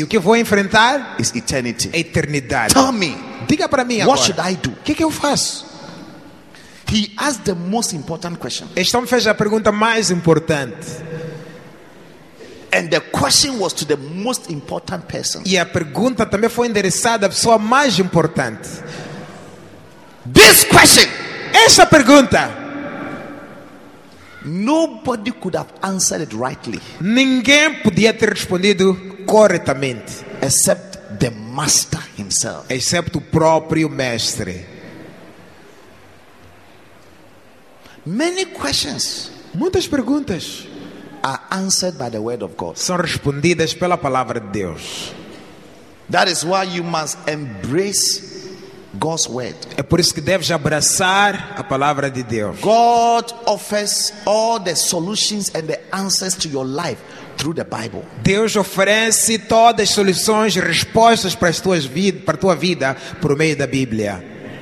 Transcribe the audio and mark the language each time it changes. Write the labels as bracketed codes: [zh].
[pt] E o que vou enfrentar? [en] Is eternity. [pt] Eternidade. [en] Tell me. [pt] Diga para mim agora. [en] What should I do? [pt] Que eu faço? [en] He asked the most important question. [pt] Este homem fez a pergunta mais importante. [en] And the question was to the most important person. [pt] E a pergunta também foi endereçada à pessoa mais importante. [en] This question. [pt] Esta pergunta. [en] Nobody could have answered it rightly. [pt] Ninguém podia ter respondido corretamente. [en] Except the master himself. [pt] Excepto o próprio mestre. [en] Many questions, [pt] muitas perguntas, [en] are answered by the word of God. [pt] São respondidas pela palavra de Deus. [en] That is why you must embrace God's word. [pt] É por isso que deves abraçar a palavra de Deus. [en] God offers all the solutions and the answers to your life through the Bible. [pt] Deus oferece todas as soluções e respostas para as tuas vidas, para a tua vida, por meio da Bíblia.